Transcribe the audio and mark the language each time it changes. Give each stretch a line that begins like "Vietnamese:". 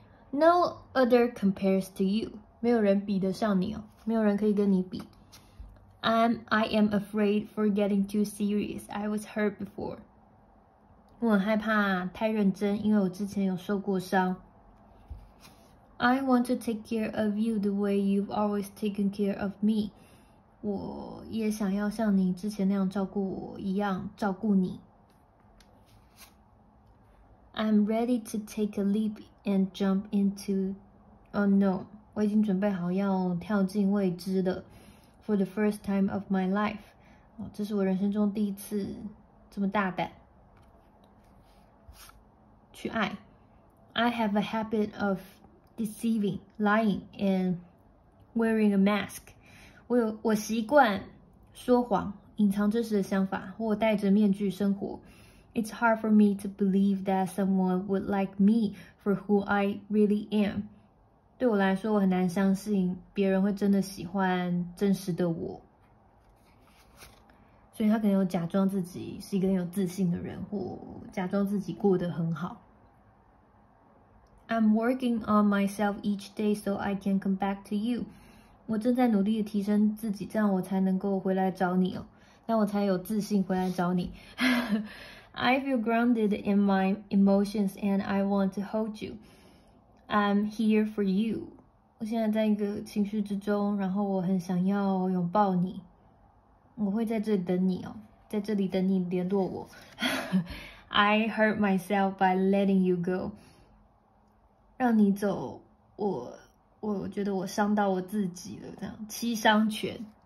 English: No other compares to you.
Chinese: 没有人比得上你哦，没有人可以跟你比。
English: I am afraid for getting too serious. I was hurt before.
Chinese: 我很害怕太认真，因为我之前有受过伤。
English: I want to take care of you the way you've always taken care of me.
Chinese: 我也想要像你之前那样照顾我一样照顾你。
English: I'm ready to take a leap and jump into unknown.
Chinese: 我已经准备好要跳进未知的 ，
English: for the first time of my life，
Chinese: 这是我人生中第一次这么大胆去爱。
English: I have a habit of deceiving, lying, and wearing a mask
Chinese: 我习惯说谎，隐藏真实的想法，或戴着面具生活。
English: It's hard for me to believe that someone would like me for who I really am.
Chinese: 对我来说，我很难相信别人会真的喜欢真实的我，所以他可能有假装自己是一个很有自信的人，或假装自己过得很好。
English: I'm working on myself each day so I can come back to you。
Chinese: 我正在努力的提升自己，这样我才能够回来找你哦，那我才有自信回来找你。
English: I feel grounded in my emotions and I want to hold you. I'm here for you.
Chinese: 我现在在一个情绪之中，然后我很想要拥抱你。我会在这里等你哦，在这里等你联络我。
English: I hurt myself by letting you go.
Chinese: 让你走，我觉得我伤到我自己了，这样七伤拳。